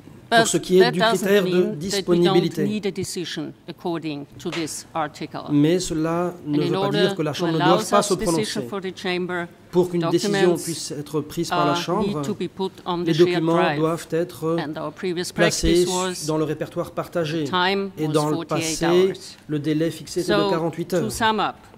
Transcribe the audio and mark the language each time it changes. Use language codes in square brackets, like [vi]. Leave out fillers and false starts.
[fr] Pour ce qui est du critère de disponibilité. [en] That we don't need a decision according to this article. [fr] Mais cela ne veut pas dire que la Chambre ne doit pas se prononcer. Pour qu'une décision puisse être prise par la Chambre, les documents doivent être placés dans le répertoire partagé. Et dans le passé, le délai fixé était de 48 heures.